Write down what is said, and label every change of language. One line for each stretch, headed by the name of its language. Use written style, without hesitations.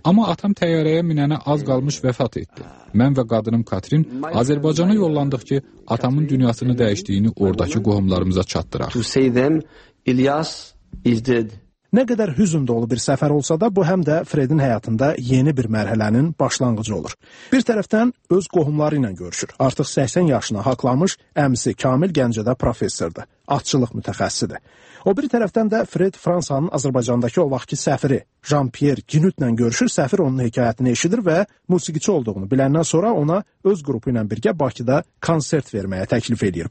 Azerbaijani: Amma atam təyyarəyə minənə az qalmış vəfat etdi. Mən və qadınım Katrin Azərbaycana yollandıq ki, atamın dünyasını dəyişdiyini oradakı qohumlarımıza çatdıraq.
English: To say them, Ilyas is dead.
Azerbaijani: Nə qədər hüzün dolu bir səfər olsa da, bu həm də Fredin həyatında yeni bir mərhələnin başlanğıcı olur. Bir tərəfdən öz qohumları ilə görüşür. Artıq 80 yaşına haqlamış əmisi Kamil Gəncədə professordur, atçılıq mütəxəssisidir. O bir tərəfdən də Fred Fransanın Azərbaycandakı o vaxtki səfiri Jean-Pierre Ginütlə görüşür, səfir onun hekayətini eşidir və musiqiçi olduğunu biləndən sonra ona öz qrupu ilə birgə Bakıda konsert verməyə təklif edir.